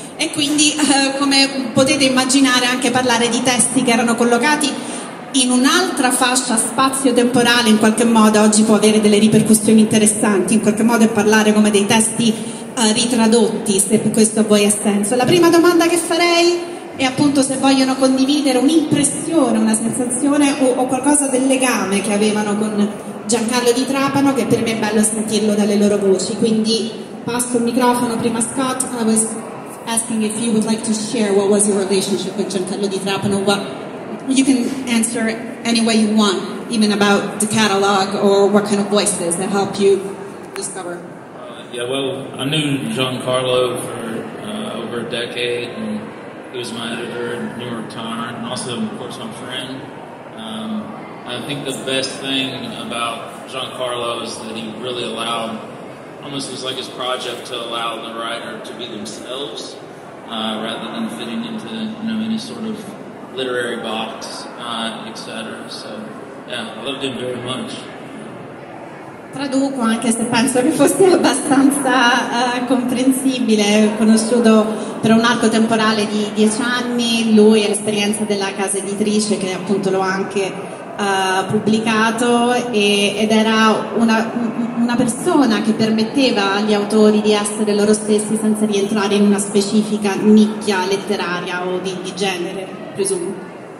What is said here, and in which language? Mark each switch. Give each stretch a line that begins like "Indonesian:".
Italian: E quindi, come potete immaginare, anche parlare di testi che erano collocati in un'altra fascia spazio-temporale in qualche modo oggi può avere delle ripercussioni interessanti, in qualche modo, e parlare come dei testi ritradotti, se questo a voi ha senso. La prima domanda che farei è appunto se vogliono condividere un'impressione, una sensazione o qualcosa del legame che avevano con Giancarlo di Trapano, che per me è bello sentirlo dalle loro voci. Quindi passo il microfono prima a Scott.
English: I was asking if you would like to share what was your relationship with Giancarlo di Trapano. What you can answer any way you want, even about the catalog or what kind of voices that help you discover. Yeah, well, I knew Giancarlo for over a decade, and he was my editor at New York Times, and also, of course, my friend. I think the best thing about Giancarlo is that he really allowed, almost was like his project, to allow the writer to be themselves, rather than fitting into, you know, any sort of literary box, etc. So, yeah, I loved him very much.
Italian: Traduco, anche se penso che fosse abbastanza comprensibile. Ho conosciuto per un arco temporale di 10 anni lui e l'esperienza della casa editrice, che appunto l'ho anche pubblicato, ed era una persona che permetteva agli autori di essere loro stessi senza rientrare in una specifica nicchia letteraria o di genere, presumo.